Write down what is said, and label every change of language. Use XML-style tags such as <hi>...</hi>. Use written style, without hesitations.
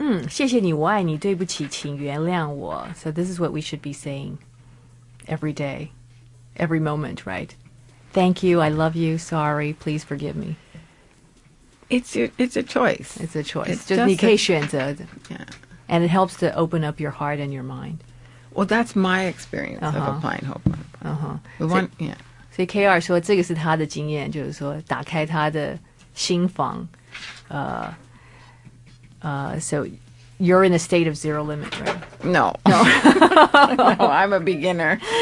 <zh>谢谢你，我爱你，对不起，请原谅我。</zh> <en>So this is what we should be saying every day, every moment, right? Thank you, I love you, sorry, please forgive me. It's a choice. It's a choice. It's just</en> <zh>你可以选择。</zh> <en>Yeah. And it helps to open up your heart and your mind. Well, that's my experience、uh-huh. of applying hope. Uh-huh. We want, yeah.</en> <zh>所以 KR 说这个是他的经验，就是说打开他的心房。</zh> <en>So... You're in a state of zero limit, right? No. No, I'm a beginner.</en>